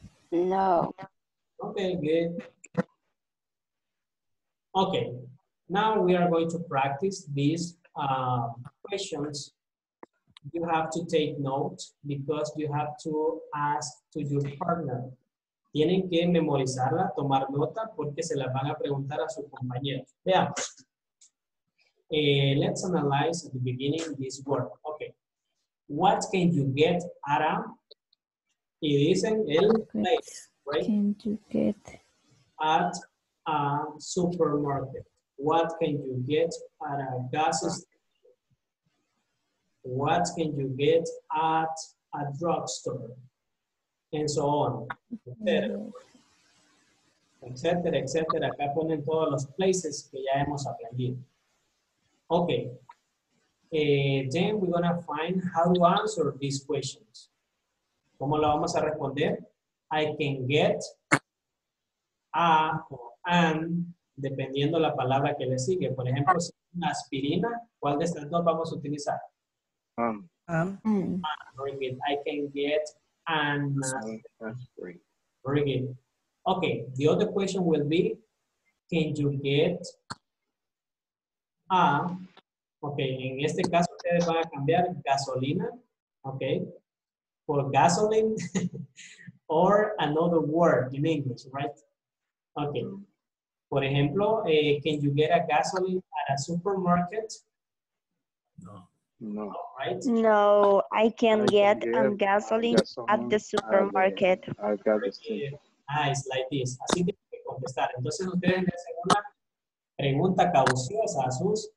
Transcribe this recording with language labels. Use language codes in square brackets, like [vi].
[en] No. Okay, good. Okay, now we are going to practice these questions. You have to take note because you have to ask to your partner. [es] Tienen que memorizarla, tomar nota porque se las van a preguntar a su compañero. Veamos. [en] Let's analyze at the beginning this word. Okay. What can you get at a... [es] Y dicen el [en] place, right? Can you get at a supermarket? What can you get at a gas station? What can you get at a drugstore? And so on, etcétera. [es] Acá ponen todos los places que ya hemos aprendido. [en] Okay. Then we're gonna find how to answer these questions. [es] ¿Cómo la vamos a responder? [en] I can get a [es] o an, dependiendo la palabra que le sigue. Por ejemplo, si es una aspirina, ¿cuál de estas dos vamos a utilizar? [en] Very good. I can get an aspirin. Very good. Okay, the other question will be, can you get a, okay, [es] en este caso ustedes van a cambiar gasolina, [en] okay, for gasoline or another word in English, right? Okay. For example, can you get a gasoline at a supermarket? No. All right? No, I can get gasoline at the supermarket. Nice, like this. [es] Así tiene que contestar. Entonces ustedes le hacen una pregunta cauciosa a sus